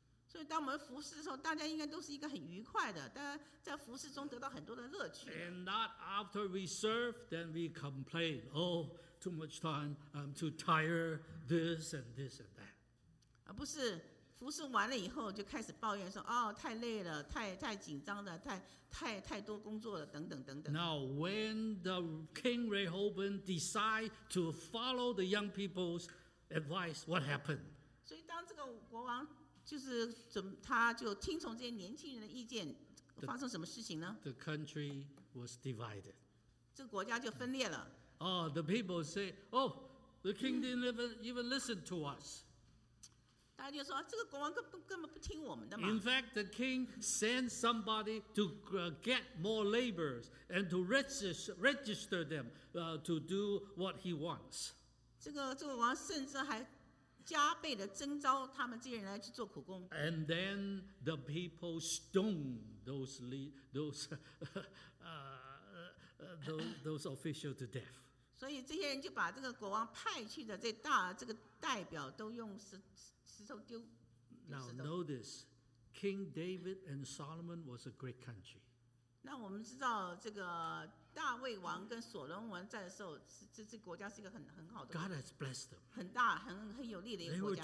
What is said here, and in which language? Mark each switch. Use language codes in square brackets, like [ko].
[zh] 所以当我们服侍的时候，大家应该都是一个很愉快的，大家在服侍中得到很多的乐趣。 [en] And not after we serve, then we complain. Oh, too much time. I'm too tired. This and this and that. [zh] 而不是服侍完了以后就开始抱怨说，哦，太累了，太紧张了，太多工作了，等等等等。 [en] Now, when the King Rehoboam decide to follow the young people's advice, what happened? [zh] 所以当这个国王就是怎么，他就听从这些年轻人的意见，发生什么事情呢？ [en] The country was divided. [zh] 这个国家就分裂了。 [en] Oh, the people say, oh, the king didn't even listen to us. [zh] 大家就说，这个国王根本不听我们的嘛。 [en] In fact, the king sent somebody to get more laborers and to register them to do what he wants. [zh] 这个王甚至还加倍的征召他们这些人来去做苦工。 [en] And then the people stoned those officials to death. [zh] 所以这些人就把这个国王派去的这个代表都用石头丢石头。 [en] Now notice, King David and Solomon was a great country. [zh] 那我们知道这个大卫王跟所罗门在的时候，这国家是一个很好的。 [en] God has blessed them. [zh] 很大，很有力的一个国家。